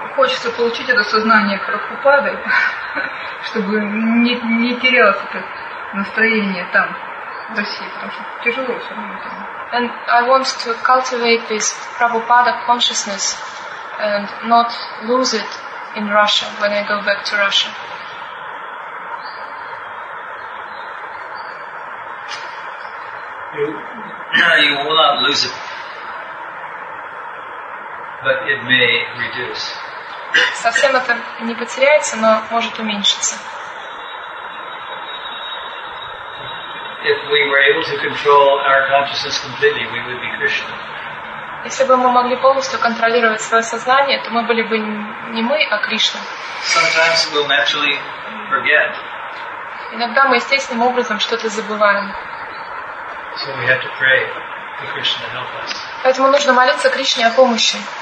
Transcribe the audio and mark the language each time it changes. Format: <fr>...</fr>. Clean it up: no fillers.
<ru>Хочется получить это сознание Прабхупады, чтобы не терялось это настроение там, в России, потому что тяжело все равно там.</ru> <en>And I want to cultivate this Prabhupada consciousness and not lose it in Russia when I go back to Russia. You will not lose it. But it may reduce.</en> <ru>Совсем это не потеряется, но может уменьшиться.</ru> <en>If we were able to control our consciousness completely, we would be Krishna.</en> <ru>Если бы мы могли полностью контролировать свое сознание, то мы были бы не мы, а Кришна.</ru> <en>Sometimes we'll naturally forget.</en> <ru>Иногда мы естественным образом что-то забываем.</ru> <en>So we have to pray for Krishna to help us.</en> <ru>Поэтому нужно молиться Кришне о помощи.</ru>